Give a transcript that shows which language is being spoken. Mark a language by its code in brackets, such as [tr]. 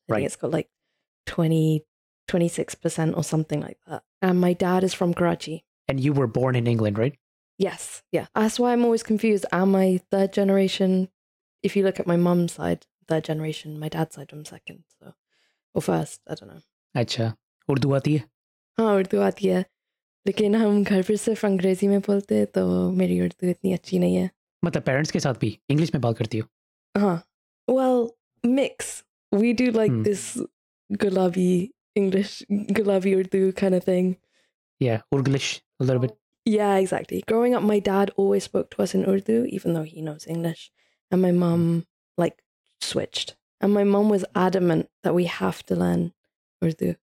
[en] I think it's got like 26% or something like that. And my dad is from Karachi. And you were born in England, right? Yes. Yeah. That's why I'm always confused. Am I third generation? If you look at my mom's side, third generation. My dad's side, I'm second. So, or first. I don't know. [ur] Acha. Urdu aati hai? ہاں، اردو آتی ہے۔ لیکن ہم گھر پر صرف انگریزی میں بولتے، تو میری اردو اتنی اچھی نہیں ہے۔ Matlab parents ke saath bhi English mein baat karti ho? Haan. [en] Well, mix. We do like this gulabi English, Gulabi Urdu kind of thing. Yeah, Urglish, a little bit. Yeah, exactly. Growing up, my dad always spoke to us in Urdu, even though he knows English. And my mom like switched. And my mom was adamant that we have to learn Urdu.